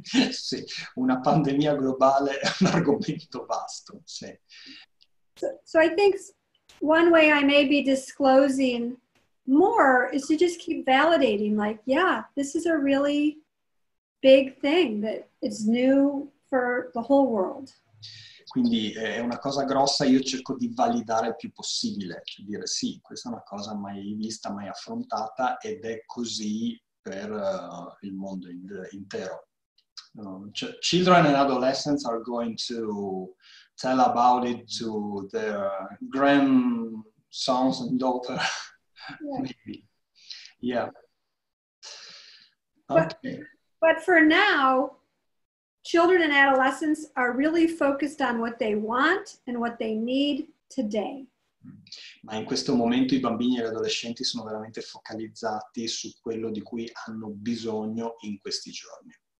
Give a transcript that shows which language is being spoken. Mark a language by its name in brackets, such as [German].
[Italian] Sì, una pandemia globale è un argomento vasto, sì. [English] So I think one way I may be disclosing more is to just keep validating, like, yeah, this is a really big thing that it's new for the whole world. [Italian] Quindi è una cosa grossa, io cerco di validare il più possibile, cioè dire sì, questa è una cosa mai vista, mai affrontata ed è così per il mondo intero. [English] Children and adolescents are going to tell about it to their grandsons and daughters, yeah. Maybe. Yeah. Okay. But for now, children and adolescents are really focused on what they want and what they need today. [Italian] Ma in questo momento i bambini e gli adolescenti sono veramente focalizzati su quello di cui hanno bisogno in questi giorni.